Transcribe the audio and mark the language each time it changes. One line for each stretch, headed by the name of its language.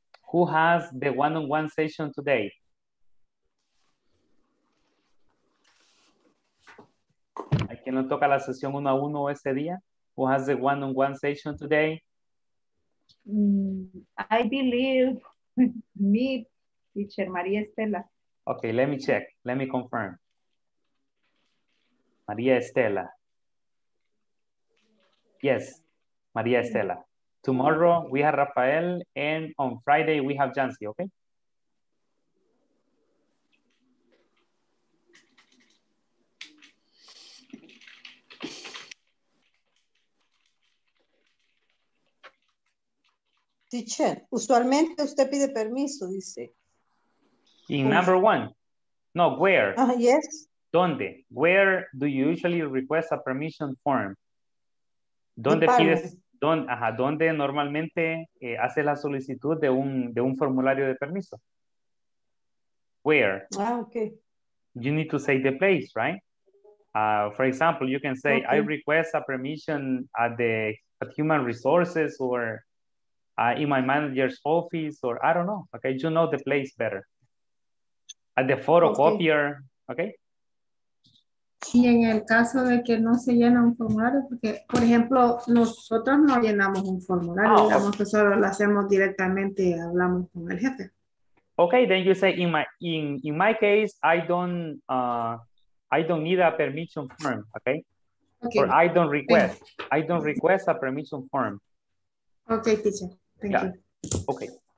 English: who has the one-on-one session today?
Spanish: ¿A quién le toca la sesión uno a uno ese día?
English: Who has the one-on-one session today? I believe me, teacher María Estela. Okay, let me check. Let me confirm. María Estela. Yes, María Estela. Tomorrow we have Rafael and on Friday we have Jancy, okay?
Spanish: Teacher, usualmente usted pide permiso, dice.
English: In number one. No, where? Yes.
Spanish: ¿Dónde?
English: Where do you usually request a permission form?
Spanish: ¿Dónde pides? ¿Dónde normalmente hace la solicitud de un formulario de permiso?
English: Where? Ah, okay. You need to say the place, right? For example, you can say, okay. I request a permission at human resources or in my manager's office, or I don't know. Okay, you know the place better. At the photocopier, okay?
Spanish: Y en el caso de que no se llena un formulario, porque, por ejemplo, nosotros no llenamos un formulario, nosotros lo hacemos directamente, hablamos con el jefe.
English: Okay, then you say, in my case, I don't need a permission form, okay? Or I don't request a permission form. Okay, teacher, thank you. Okay.